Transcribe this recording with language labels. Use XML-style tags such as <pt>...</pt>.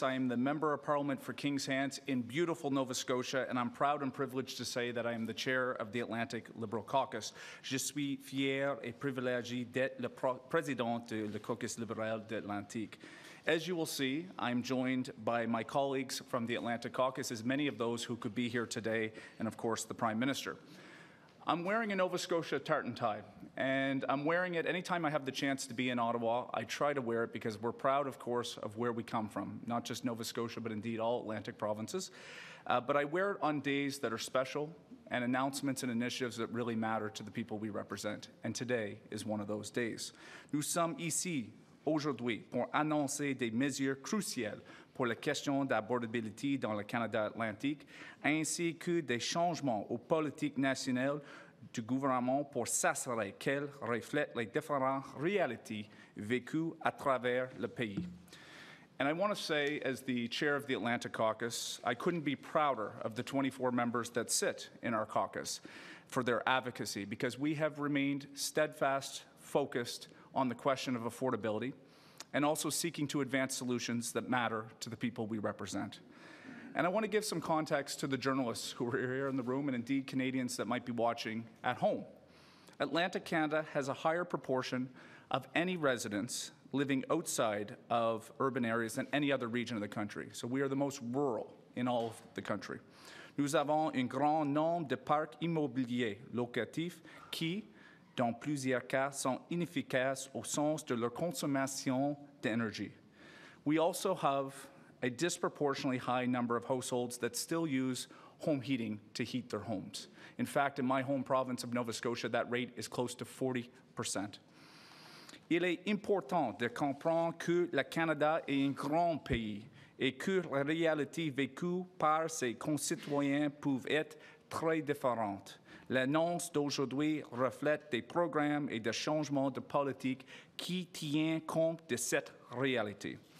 <en>I am the Member of Parliament for King's Hants in beautiful Nova Scotia, and I'm proud and privileged to say that I am the chair of the Atlantic Liberal Caucus.</en> <fr>Je suis fier et privilégié d'être le président de le Caucus Libéral d'Atlantique.</fr> <en>As you will see, I'm joined by my colleagues from the Atlantic Caucus, as many of those who could be here today, and of course, the Prime Minister. I'm wearing a Nova Scotia tartan tie, and I'm wearing it anytime I have the chance to be in Ottawa. I try to wear it because we're proud, of course, of where we come from, not just Nova Scotia, but indeed all Atlantic provinces. But I wear it on days that are special and announcements and initiatives that really matter to the people we represent. And today is one of those days.</en> <fr>Nous sommes ici aujourd'hui pour annoncer des mesures cruciales pour la question d'abordabilité dans le Canada Atlantique, ainsi que des changements aux politiques nationales du gouvernement pour s'assurer qu'elles reflètent les différentes réalités vécues à travers le pays.</fr> <en>And I want to say, as the chair of the Atlantic Caucus, I couldn't be prouder of the 24 members that sit in our caucus for their advocacy, because we have remained steadfast, focused on the question of affordability, and also seeking to advance solutions that matter to the people we represent. And I want to give some context to the journalists who are here in the room, and indeed Canadians that might be watching at home. Atlantic Canada has a higher proportion of any residents living outside of urban areas than any other region of the country. So we are the most rural in all of the country.</en> <fr>Nous avons un grand nombre de parcs immobiliers locatifs qui, dans plusieurs cas, sont inefficaces au sens de leur consommation d'énergie.</fr> <en>We also have a disproportionately high number of households that still use home heating to heat their homes. In fact, in my home province of Nova Scotia, that rate is close to 40%.</en> <fr>Il est important de comprendre que le Canada est un grand pays et que la réalité vécue par ses concitoyens peut être très différente. L'annonce d'aujourd'hui reflète des programmes et des changements de politique qui tiennent compte de cette réalité.</fr>